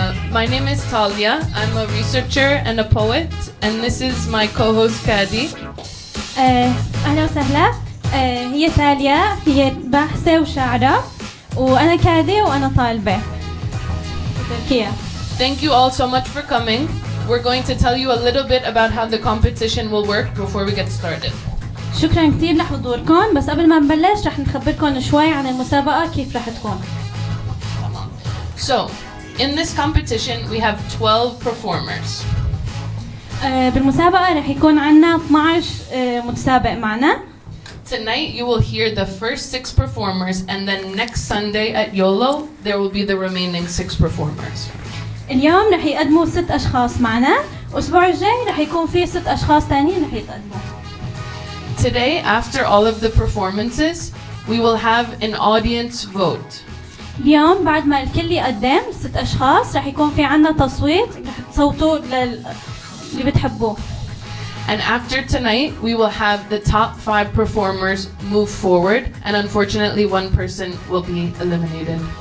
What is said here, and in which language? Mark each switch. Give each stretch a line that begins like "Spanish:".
English: My name is Talia. I'm a researcher and a poet. And this is my co-host Kadi.
Arabic: أهلا وسهلا. هي تاليا هي باحثة وشاعرة وأنا كادي وأنا طالبة.
English: Thank you all so much for coming. We're going to tell you a little bit about how the competition will work before we get started.
Arabic: شكرا كثير لحضوركم بس قبل ما نبلش رح نخبركم شوي عن المسابقة كيف رح تكون.
English: So, in this competition we have 12 performers.
Arabic: بالمسابقة رح يكون عنا 12 متسابق معنا.
English: Tonight you will hear the first 6 performers and then next Sunday at YOLO there will be the remaining 6 performers.
Arabic: اليوم رح يقدموا 6 أشخاص معنا والأسبوع الجاي رح يكون في 6 أشخاص تانيين رح يقدموا.
English: Today after all of the performances we will have an audience vote.
Arabic: اليوم بعد ما الكل يقدم 6 أشخاص رح يكون في عنا تصويت رح تصوتوا للي بتحبوه.
English: And after tonight we will have the top 5 performers move forward and unfortunately one person will be eliminated.